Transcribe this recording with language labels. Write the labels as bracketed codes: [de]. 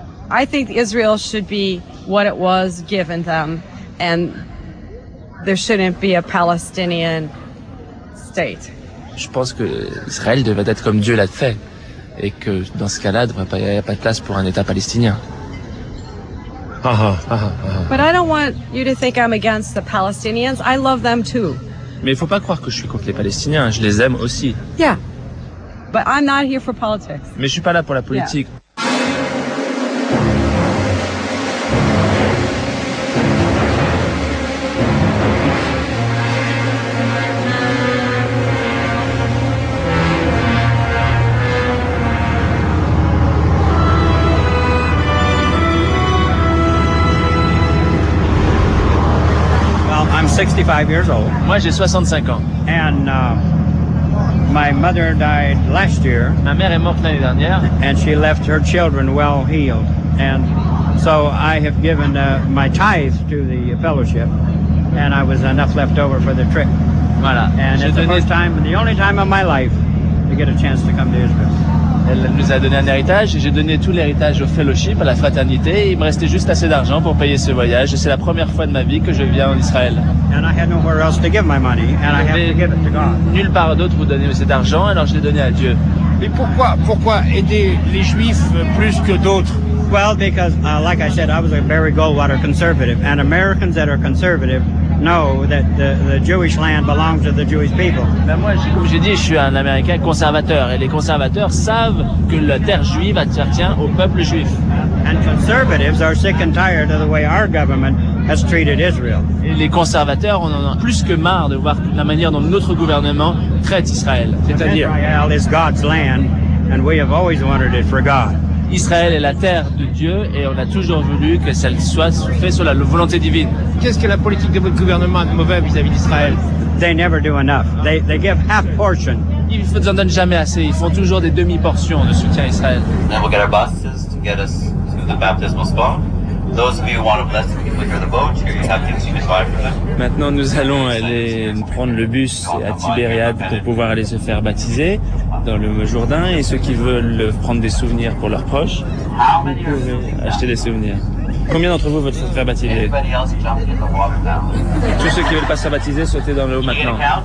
[en] I think Israel should be what it was given them and there shouldn't be a Palestinian state. [fr] Je pense que Israël devrait être comme Dieu l'a fait et que dans ce cas-là, il n'y a pas de place pour un État palestinien. [en] But I don't want you to think I'm against the Palestinians. I love them too. [fr] Mais il faut pas croire que je suis contre les Palestiniens, je les aime aussi. [en] Yeah. But I'm not here for politics. [fr] Mais je suis pas là pour la politique. [en] Yeah. I'm 65 years old. [fr] Moi, j'ai 65 ans. [en] And My mother died last year. Ma mère est morte l'année dernière. And she left her children well healed. And so I have given my tithe to the fellowship. And I was enough left over for the trip. [fr] Voilà. [en] And it's the first time, the only time of my life, to get a chance to come to Israel. [fr] Elle nous a donné un héritage et j'ai donné tout l'héritage au fellowship, à la fraternité. Il me restait juste assez d'argent pour payer ce voyage. C'est la première fois de ma vie que je viens en Israël. [en] And I had nowhere else to give my money, and I have to give it to God. [fr] Nulle part d'autre pour donner cet argent, alors je l'ai donné à Dieu. Mais pourquoi aider les Juifs plus que d'autres? [en] Well, because, like I said, I was a Barry Goldwater conservative, and Americans that are conservative know that the Jewish land belongs to the Jewish people. [fr] Ben moi, comme j'ai dit, je suis un Américain conservateur, et les conservateurs savent que la terre juive appartient au peuple juif. [en] And conservatives are sick and tired of the way our government has treated Israel. [fr] Et les conservateurs en ont plus que marre de voir la manière dont notre gouvernement traite Israël. C'est-à-dire, [en] Israel is God's land, and we have always wanted it for God. [fr] Israël est la terre de Dieu et on a toujours voulu que ça soit fait sur la volonté divine. Qu'est-ce que la politique de votre gouvernement a de mauvais vis-à-vis d'Israël? [en] They never do enough. They give half portion. [fr] Ils ne donnent jamais assez. Ils font toujours des demi-portions de soutien à Israël. [en] Now we'll get our buses to get us to the baptismal spot. Those of you who want to bless the people here the boat, you have to see the fire for them. [fr] Maintenant, nous allons aller prendre le bus à Tibériade pour pouvoir aller se faire baptiser dans le Jourdain. Et ceux qui veulent prendre des souvenirs pour leurs proches, vous pouvez acheter des souvenirs. Combien d'entre vous veulent se faire baptiser? Tous ceux qui veulent pas se faire baptiser, sautez dans l'eau maintenant.